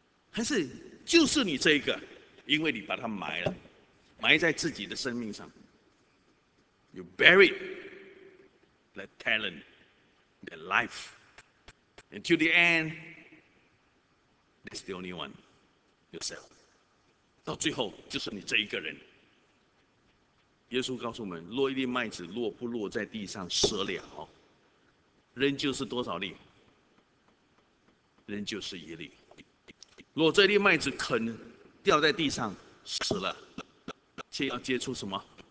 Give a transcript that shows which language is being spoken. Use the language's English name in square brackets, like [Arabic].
[Chinese] 还是就是你这一个，因为你把它埋了，埋在自己的生命上。 [English] You buried that talent, that life. Until the end, that's the only one, yourself. [Chinese] 到最后就是你这一个人。耶稣告诉我们，落一粒麦子落不落在地上折了，仍旧是多少粒？仍旧是一粒。落这粒麦子肯掉在地上死了，却要结出什么？